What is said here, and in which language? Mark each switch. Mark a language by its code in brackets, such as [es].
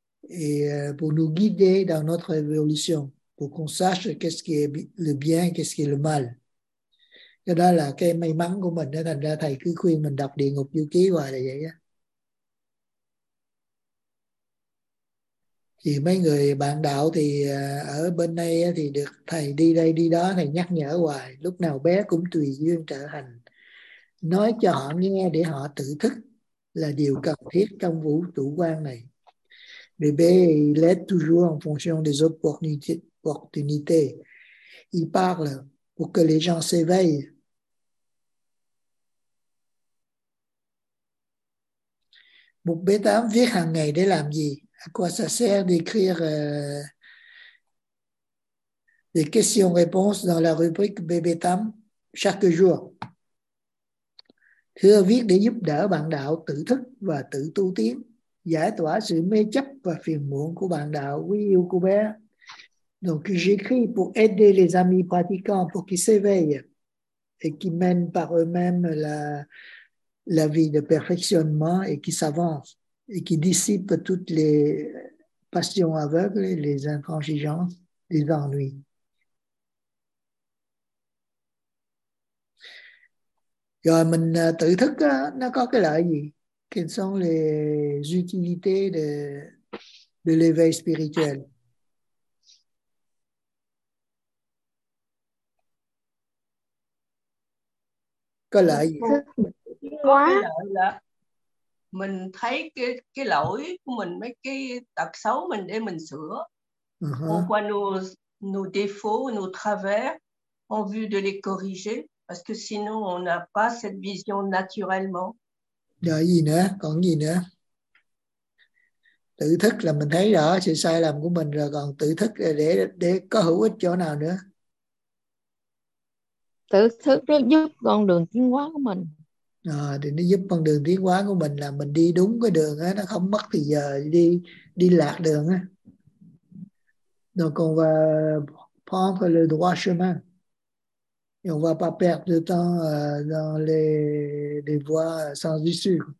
[fr] Et pour nous guider dans notre évolution, pour qu'on sache qu'est-ce qui est le bien, qu'est-ce qui est le mal. [vi] Cái đó là cái may mắn của mình, nên thành ra thầy cứ khuyên mình đọc địa ngục du ký hoài là vậy á. Thì mấy người bạn đạo thì ở bên đây thì được thầy đi đây đi đó, thầy nhắc nhở hoài, lúc nào bé cũng tùy duyên trở hành. Nói cho họ nghe để họ tự thức là điều cần thiết trong vũ trụ quan này. [fr] Bébé, il est toujours en fonction des opportunités. Il parle pour que les gens s'éveillent. [vi] Một bé tám viết hàng ngày để làm gì? [fr] À quoi ça sert d'écrire des questions-réponses dans la rubrique Bébé tám chaque jour? [vi] Thưa, viết để giúp đỡ bạn đạo tự thức và tự tu tiến, giải tỏa sự mê chấp và phiền muộn của bạn đạo quý yêu của bé. [fr] Donc j'écris pour aider les amis pratiquants pour qu'ils s'éveillent et qu'ils mènent par eux-mêmes la vie de perfectionnement et qu'ils s'avancent et qu'ils dissipent toutes les passions aveugles, les intransigeances, les ennuis. [vi] Rồi mình tự thức nó có cái lợi gì? [fr] Quelles sont les utilités de l'éveil spirituel? [vi] Có lợi gì? Quá. Mình thấy cái lỗi của mình, mấy cái tật xấu mình để mình sửa. [fr] On voit nos défauts, nos travers, en vue de les corriger, parce que sinon on n'a pas cette vision naturellement. [vi] Rồi gì nữa? Còn gì nữa? Tự thức là mình thấy rõ sự sai lầm của mình rồi, còn tự thức để có hữu ích chỗ nào nữa? Tự thức giúp con đường tiến hóa của mình. Thì nó giúp con đường tiến hóa của mình là mình đi đúng cái đường á, nó không mất thì giờ đi đi lạc đường á. [fr] Donc on va prendre le droit chemin et on va pas perdre de temps dans les voies sans issue.